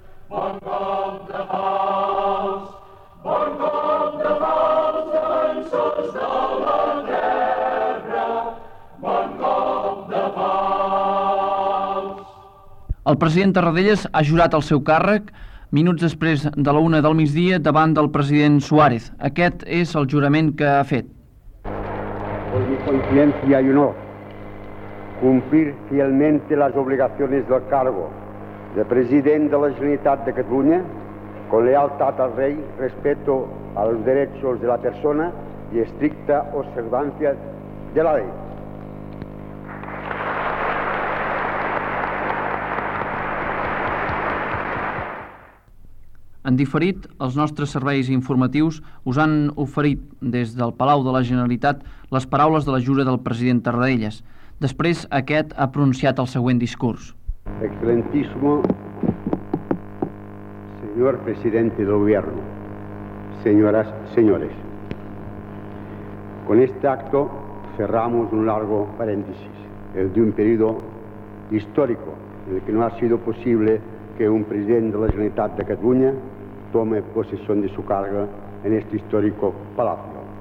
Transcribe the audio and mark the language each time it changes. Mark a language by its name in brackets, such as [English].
[Catalan] Bon cop de pals, bon cop de pals, defensors de la terra, bon cop de pals. El president Tarradellas ha jurat el seu càrrec minuts després de la 1 del migdia davant del president Suárez. Aquest és el jurament que ha fet. [Spanish] Por mi conciencia y honor, cumplir fielmente las obligaciones del cargo de president de la Generalitat de Catalunya, con [Catalan] lealtat al rei, [Spanish] respeto a los derechos de la persona y estricta observancia de la ley. [Catalan] En diferit, els nostres serveis informatius us han oferit des del Palau de la Generalitat les paraules de la jura del president Tarradellas. Després, aquest ha pronunciat el següent discurs. [Spanish] Excelentísimo señor presidente del gobierno, señoras, señores, Con este acto cerramos un largo paréntesis, el de un periodo histórico en el que no ha sido posible que un presidente de la Generalitat de Cataluña tome posesión de su cargo en este histórico palacio.